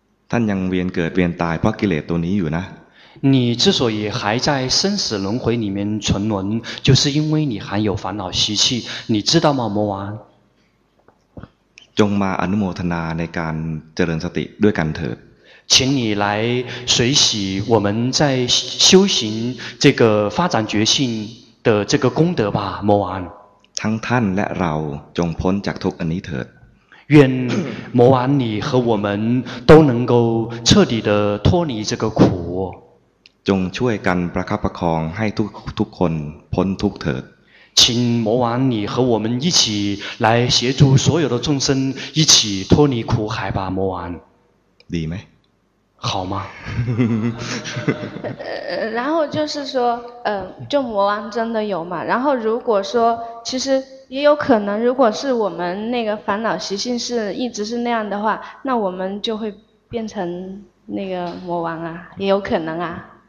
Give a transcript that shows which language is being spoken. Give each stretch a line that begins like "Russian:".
Thai: ท่านยังเวียนเกิดเวียนตายเพราะกิเลสตัวนี้อยู่นะ。
Chinese: 你之所以还在生死轮回里面沉沦，就是因为你含有烦恼习气，你知道吗，魔王？
Thai: จงมาอนุโมทนาในการเจริญสติด้วยกันเถิด。
Chinese: 请你来随喜我们在修行这个发展觉性的这个功德吧，魔王。
Thai: ทั้งท่านและเราจงพ้นจากทุกข์อันนี้เถิด。
Chinese: 愿魔王你和我们都能够彻底的脱离这个苦。
Thai: จงช่วยกันประคับประคองให้ทุกคนพ้นทุกข์เถิด。
Chinese: 请魔王你和我们一起来协助所有的众生一起脱离苦海吧，魔王。
Thai: ดีไหม？
Chinese: 好吗？然后就是说，就魔王真的有嘛？然后如果说，其实也有可能，如果是我们那个烦恼习性是一直是那样的话，那我们就会变成那个魔王啊，也有可能啊。